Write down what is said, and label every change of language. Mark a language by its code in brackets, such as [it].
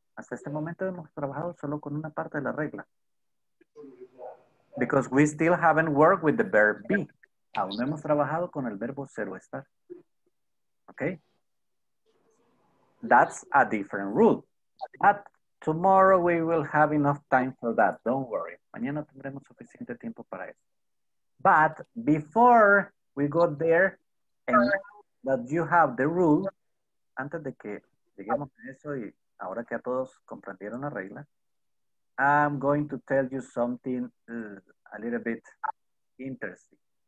[es] Hasta este momento hemos trabajado solo con una parte de la regla. [en] Because we still haven't worked with the verb be. [es] Aún no hemos trabajado con el verbo ser o estar. [en] Okay? That's a different rule. But tomorrow we will have enough time for that. Don't worry. [es] Mañana tendremos suficiente tiempo para eso. [en] But before we go there and that you have the rule, [es] antes de que lleguemos a eso y ahora que a todos comprendieron la regla, [en] I'm going to tell you something a little bit interesting.